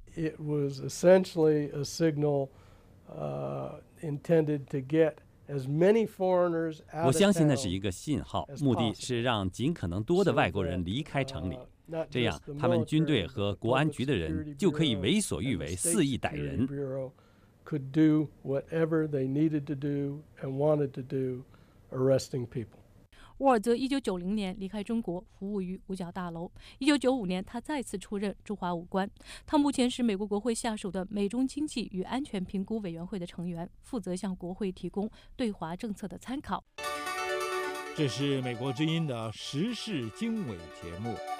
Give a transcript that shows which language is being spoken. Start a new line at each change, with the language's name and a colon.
English: It was essentially a signal, intended to get as many foreigners out of town.
Chinese: 我相信那是一个信号，目的是让尽可能多的外国人离开城里，这样他们军队和国安局的人就可以为所欲为，肆意逮人。
English: Could do whatever they needed to do and wanted to do, arresting people.
Chinese: 沃尔泽1990年离开中国，服务于五角大楼。 1995年，他再次出任驻华武官。他目前是美国国会下属的美中经济与安全评估委员会的成员，负责向国会提供对华政策的参考。这是美国之音的时事经纬节目。